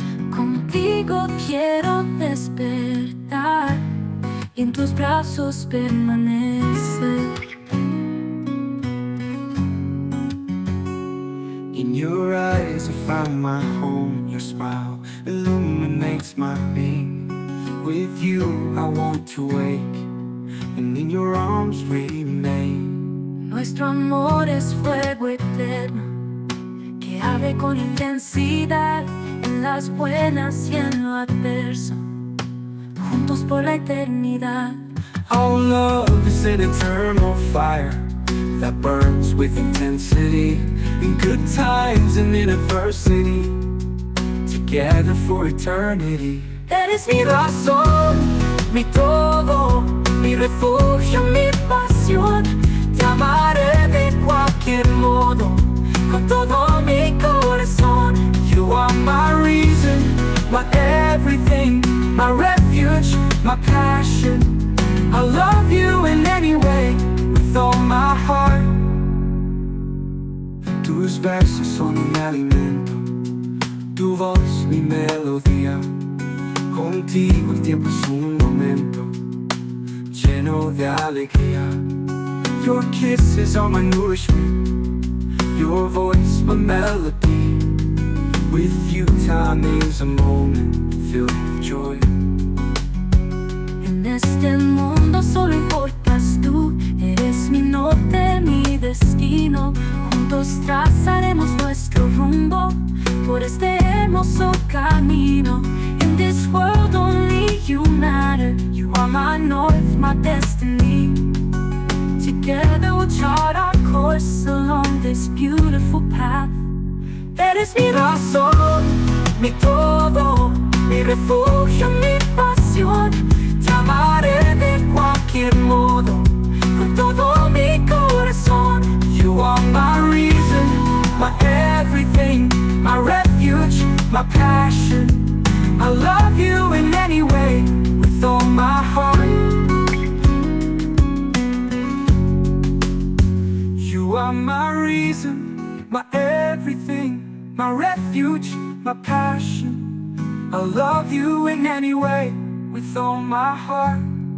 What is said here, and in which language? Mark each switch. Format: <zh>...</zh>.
<es>Contigo quiero despertar y en tus brazos permanecer.</es> <en>In your eyes I find my home. Your smile illuminates my being. With you I want to wake and in your arms remain.</en> <es>Nuestro amor es fuego eterno que arde con intensidad en las buenas y en lo adverso, juntos por la eternidad.</es> <en>Our love is an eternal fire that burns with intensity. In good times and in adversity, together for eternity.</en> <es>Eres mi razón, mi todo, mi refugio, mi pasión. Te amaré de cualquier modo, con todo mi corazón.</es> <en>You are my reason, my everything, my refuge, my passion. I love you in any way, with all my heart.</en> <es>Tus versos son un alimento, tu voz mi melodía. Contigo el tiempo es un momento lleno de alegría.</es> <en>Your kisses are my nourishment, your voice my melody. With you time is a moment filled with joy.</en> <es>En este mundo solo importas tú, eres mi norte, mi destino. Juntos trazaremos nuestro rumbo por este hermoso camino.</es> <en>In this world only you matter. You are my north, my destiny. Together we'll chart our course along this beautiful path.</en> <es>Eres mi razón, mi todo, mi refugio, mi pasión. Te amaré de cualquier modo, con todo mi corazón.</es> <en>You are my reason, my everything, my refuge, my passion. I love you in any way, with all my heart. You are my reason, my everything, my refuge, my passion. I love you in any way, with all my heart.</en>